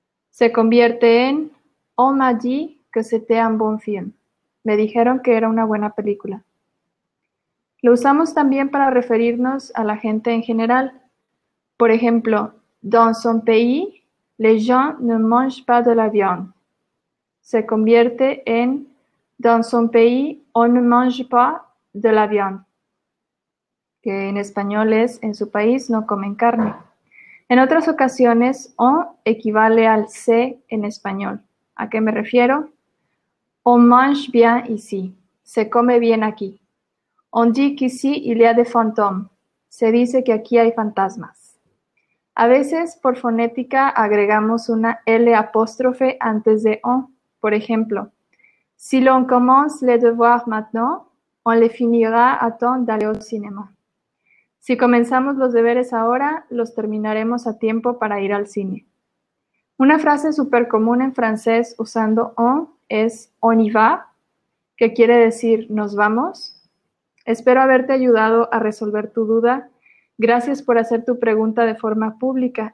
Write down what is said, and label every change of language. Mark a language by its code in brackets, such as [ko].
[es] Se convierte en [fr] On m'a dit que c'était un bon film. [es] Me dijeron que era una buena película. Lo usamos también para referirnos a la gente en general. Por ejemplo, [fr] Dans son pays, les gens ne mangent pas de la viande. [es] Se convierte en [fr] Dans son pays, on ne mange pas de la viande, [es] que en español es en su país no comen carne. En otras ocasiones, on equivale al se en español. ¿A qué me refiero? [fr] On mange bien ici. [es] Se come bien aquí. [fr] On dit qu'ici il y a des fantômes. [es] Se dice que aquí hay fantasmas. A veces, por fonética, agregamos una L apóstrofe antes de on. Por ejemplo, [fr] si l'on commence les devoirs maintenant, on les finira a temps d'aller au cinéma. [es] Si comenzamos los deberes ahora, los terminaremos a tiempo para ir al cine. Una frase súper común en francés usando on es [fr] on y va, [es] que quiere decir nos vamos. Espero haberte ayudado a resolver tu duda. Gracias por hacer tu pregunta de forma pública.